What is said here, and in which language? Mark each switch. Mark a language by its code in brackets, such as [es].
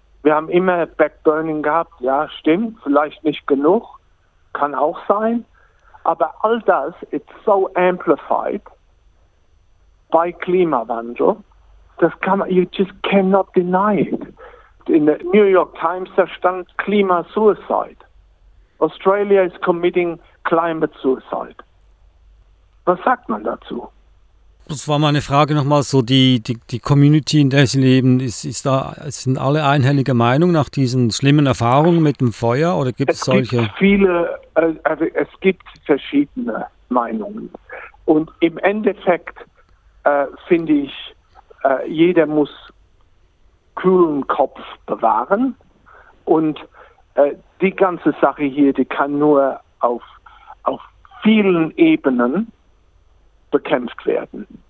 [de] Wir haben immer Backburning gehabt, ja, stimmt, vielleicht nicht genug, kann auch sein. Aber all das ist so amplified bei Klimawandel, das kann man, [en] you just cannot deny it. [de] In der New York Times, da stand Klimasuicide. [en] Australia is committing climate suicide. [de] Was sagt man dazu? Das war meine Frage nochmal, so die Community, in der Sie leben, sind alle einhelliger Meinung nach diesen schlimmen Erfahrungen mit dem Feuer oder gibt es solche? Es gibt verschiedene Meinungen und im Endeffekt finde ich, jeder muss kühlen Kopf bewahren und die ganze Sache hier, die kann nur auf vielen Ebenen bekämpft werden.